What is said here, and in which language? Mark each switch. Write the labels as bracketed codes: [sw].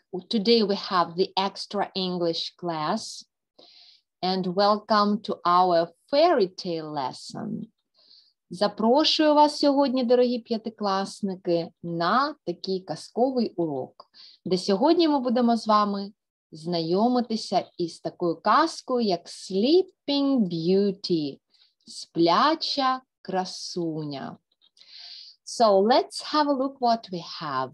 [en] Today we have the extra English class and welcome to our fairy tale lesson. [uk] Запрошую вас сьогодні, дорогі п'ятикласники, на такий казковий урок, де сьогодні ми будемо з вами знайомитися із такою казкою, як Sleeping Beauty, Спляча красуня. [en] So let's have a look what we have.